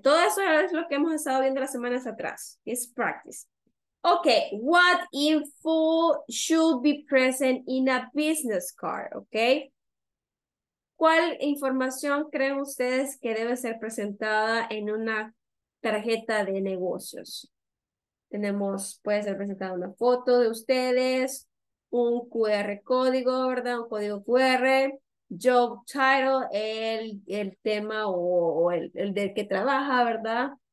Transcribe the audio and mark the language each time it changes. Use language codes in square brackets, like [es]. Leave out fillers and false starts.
[es] Todo eso es lo que hemos estado viendo las semanas atrás. [en] It's practice. Okay, what info should be present in a business card, okay? [es] ¿Cuál información creen ustedes que debe ser presentada en una tarjeta de negocios? Tenemos, puede ser presentada una foto de ustedes, un QR código, ¿verdad? Un código QR, [en] job title, [es] el tema o el del que trabaja, ¿verdad?